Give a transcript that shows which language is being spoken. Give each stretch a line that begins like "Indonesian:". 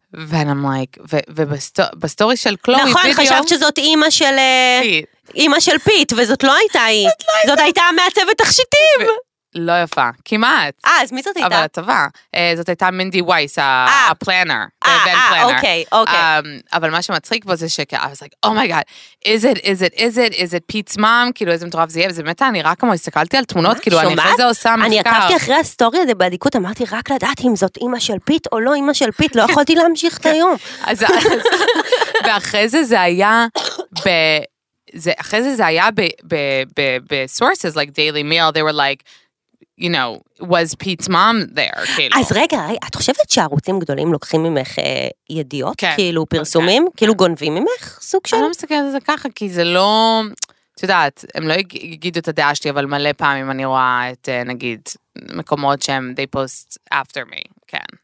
Hebrew: ואני אמרק, ובסטורי של קלואי נכון, וידאו, נכון, חשבת שזאת אימא של, אימא של פיט, וזאת לא הייתה היא, זאת הייתה מעצבת תכשיטים, לא יפה, כמעט. אז מי זאת הייתה? אבל הטבעה. זאת הייתה מינדי וייס, הפלנר. אוקיי, אוקיי. אבל מה שמצחיק בו זה שכה,
English: I was like, oh my god, is it Pete's mom?
Hebrew: כאילו איזה מטורף זה יהיה, וזה באמת אני רק כמו הסתכלתי על תמונות, כאילו אני אחרי זה עושה מחקר. אני עקבתי אחרי הסטורי הזה בעדיקות, אמרתי רק לדעת אם זאת אמא של פיט או לא אמא של פיט, לא יכולתי להמשיך את היום. ואחרי זה זה היה ב... אחרי זה זה היה ב-
English: sources, like Daily Mail, they were like, you know, was Pete's mom there, כאילו.
Hebrew: אז רגע, את חושבת שערוצים גדולים לוקחים ממך ידיעות, כאילו פרסומים, כאילו גונבים ממך סוג של? אני לא מסתכלת על זה ככה, כי זה לא, את יודעת, הם לא יגידו את הדעה שלי, אבל מלא פעמים אני רואה את, נגיד, מקומות שהם,
English: they post after me,
Hebrew: כן.